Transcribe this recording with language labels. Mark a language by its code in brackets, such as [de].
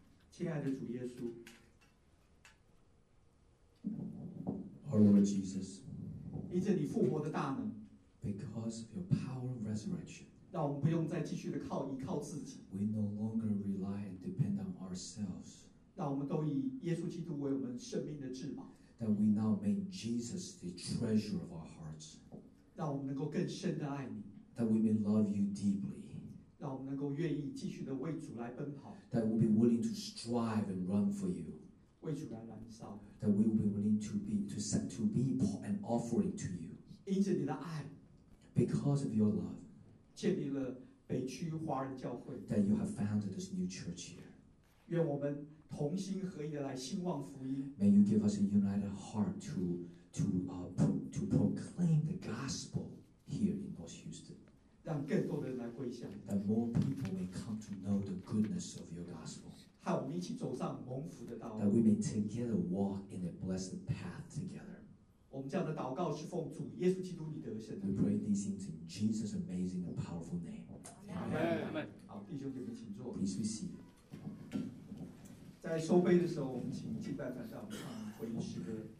[zh] 亲爱的主耶稣， [en] Our Lord Jesus, [zh] 因着你复活的大能， [en] Because of your power of resurrection, [zh] 让我们不用再继续的靠依靠自己， [en] We no longer rely and depend on ourselves. [zh] 让我们都以耶稣基督为我们生命的至宝。 [en] That we now make Jesus the treasure of our hearts. [zh] 让我们能够更深的爱你。 [en] That we may love you deeply. [zh] 让我们能够愿意继续的为主来奔跑。 [en] That we will be willing to strive and run for you. [zh] 为主来燃烧。 [en] That we will be willing to be an offering to you. [zh] 因着你的爱。 [en] Because of your love. [zh] 建立了北区华人教会。 [en] That you have founded this new church here. [zh] 愿我们同心合意的来兴旺福音。 [en] May you give us a united heart to proclaim the gospel here in North Houston. [zh] 让更多的人来归向。 [en] That more people may come to know the goodness of your gospel. [zh] 和我们一起走上蒙福的道路。 [en] That we may together walk in a blessed path together. [zh] 我们这样的祷告是奉主耶稣基督你得胜的。 [en] We pray these things in Jesus' amazing and powerful name. Amen. [zh] 好，弟兄姐妹请坐。 [en] Please be seated. [zh] 在收杯的时候，我们请敬拜团上唱回应诗歌。